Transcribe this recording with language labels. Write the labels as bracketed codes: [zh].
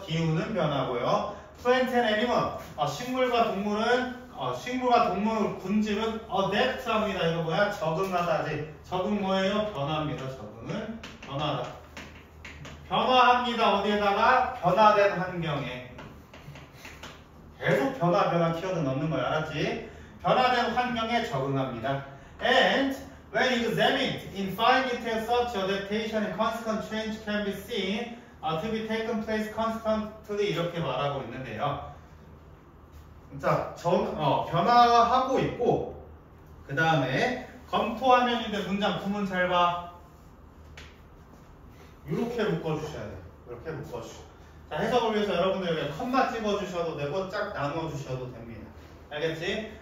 [ko] 기후는 변하고요. [en] Plant and animal [ko] 식물과 동물은 식물과 동물 군집은 adapt합니다. 이거 뭐야? 적응하다지. 적응 뭐예요? 변합니다. 적응은 변하다. 변화합니다. 어디에다가? 변화된 환경에. 계속 변화 변화 키워드 넣는 거야. 알았지? 변화된 환경에 적응합니다. [en] And when examined in fine detail such adaptation and constant change can be seen to be taken place constantly [ko] 이렇게 말하고 있는데요. 자, 변화하고 있고 그 다음에 검토하면 이제 문장 구문 잘 봐. 이렇게 묶어주셔야 돼요. 이렇게 묶어주셔. 자, 해석을 위해서 여러분들 여기 컷만 찍어주셔도 되고 쫙 나눠주셔도 됩니다. 알겠지?